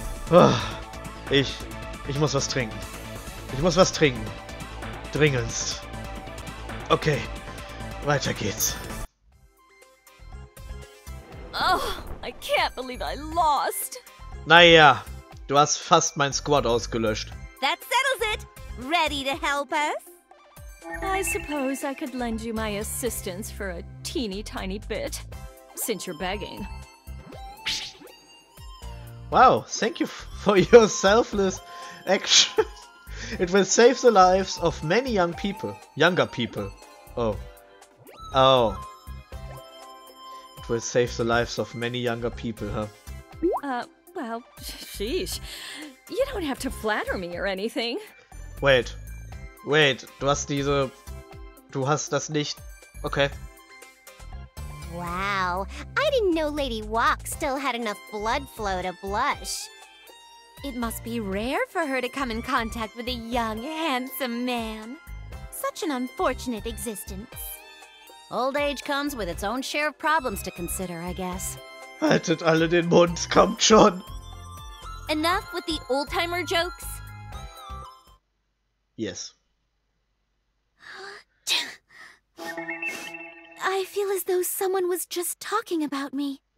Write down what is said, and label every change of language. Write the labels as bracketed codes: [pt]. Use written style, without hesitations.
[de] Oh. Ich muss was trinken. Ich muss was trinken. Dringendst. Okay. Weiter geht's. [en] Oh, I can't believe I lost. [de] Naja, du hast fast mein Squad ausgelöscht. [en] That settles it. Ready to help us? I suppose I could lend you my assistance for a teeny tiny bit, since you're begging. Wow, thank you for your selfless action. It will save the lives of many young people. Younger people. Oh. Oh. It will save the lives of many younger people, huh? Well, sheesh. You don't have to flatter me or anything. Wait. Wait, [de] du hast diese... Du hast das nicht... Okay. [en] Wow, I didn't know Lady Walk still had enough blood flow to blush. It must be rare for her to come in contact with a young, handsome man. Such an unfortunate existence. Old age comes with its own share of problems to consider, I guess. [de] Haltet alle den Mund, kommt schon! [en] Enough with the old-timer jokes? Yes. I feel as though someone was just talking about me.